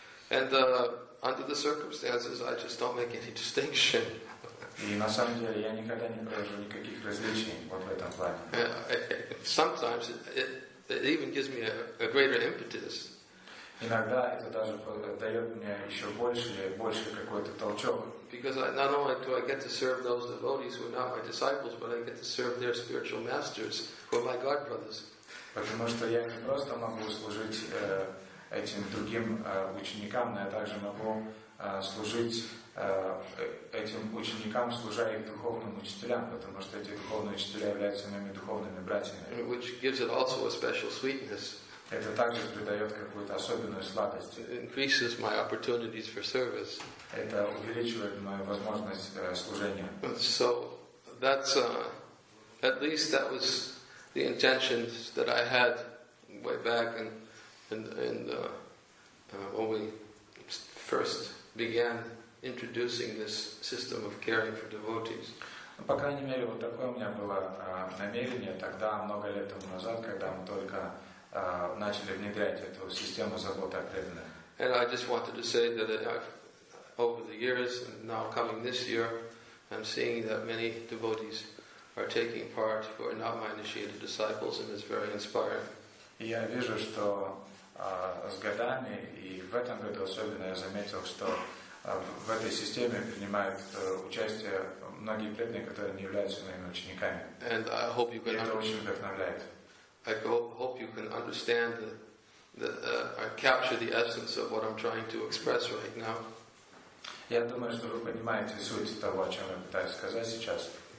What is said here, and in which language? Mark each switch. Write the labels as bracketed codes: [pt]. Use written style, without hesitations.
[en] And under the circumstances, I just don't make any distinction. [ru] И на самом деле я никогда не провожу никаких различий вот в этом плане. [en] Sometimes it even gives me a greater impetus. [ru] Иногда это даже дает мне еще больше какой-то толчок. [en] Because not only do I get to serve those devotees who are not my disciples, but I get to serve their spiritual masters, who are my god brothers. [ru] Потому что я не просто могу служить этим другим ученикам, но я также могу служить этим ученикам, служа их духовным учителям, потому что эти духовные учителя являются моими духовными братьями. [en] Which gives it also a special sweetness. [ru] Это также придает какую-то особенную сладость. [en] It increases my opportunities for service. [ru] Это увеличивает мою возможность служения. [en] So that's at least that was the intention that I had way back and when we first began introducing this system of caring for devotees. [ru] По крайней мере, вот такое у меня было намерение тогда, много лет тому назад, когда мы только начали внедрять эту систему заботы о преданных. [en] And I just wanted to say that over the years, and now coming this year, I'm seeing that many devotees are taking part who are not my initiated disciples, and it's very inspiring. [ru] И я вижу, что с годами, и в этом году особенно я заметил, что в этой системе принимают участие многие преданные, которые не являются моими учениками. [en] And I hope you can. [ru] И это очень вдохновляет. [en] I hope you can understand and capture the essence of what I'm trying to express right now. [ru] Я думаю, что вы понимаете суть того, о чем я пытаюсь сказать сейчас.